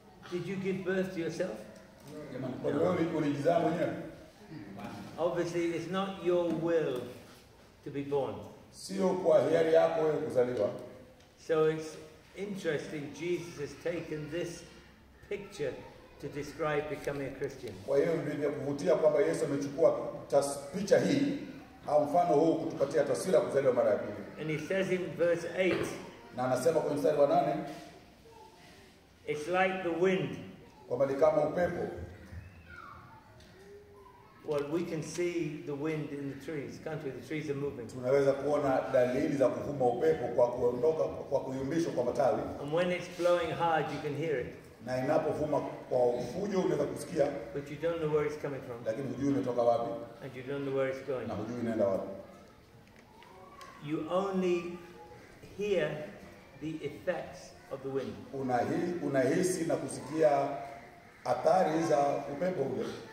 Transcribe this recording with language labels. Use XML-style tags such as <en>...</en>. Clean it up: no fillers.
<en>did you give birth to yourself? No. Obviously, it's not your will to be born.</en> <sw>Sio kwa hiari yako wewe kuzaliwa.</sw> <en>So it's interesting, Jesus has taken this picture to describe becoming a Christian.</en> <sw>Kwa hiyo ndio kuvutia kwamba Yesu amechukua picha hii au mfano huu kutupatia taswira kuzaliwa mara ya pili.</sw> <en>And he says in verse 8.</en> <sw>Na anasema kwa mstari wa 8.</sw> <en>It's like the wind.</en> <sw>Kwamba ni kama upepo.</sw> <en>Well, we can see the wind in the trees, can't we? The trees are moving.</en> <sw>Tunaweza kuona dalili za kuvuma upepo kwa kuondoka kwa kuyumbishwa kwa matawi.</sw> <en>And when it's blowing hard, you can hear it.</en> <sw>Na inapovuma kwa ufujo unaweza kusikia.</sw> <en>But you don't know where it's coming from.</en> <sw>Lakini hujui inatoka wapi.</sw> <en>And you don't know where it's going.</en> <sw>Na hujui inaenda wapi.</sw> <en>You only hear the effects of the wind.</en> <sw>Unahisi na kusikia athari za upepo ule.</sw>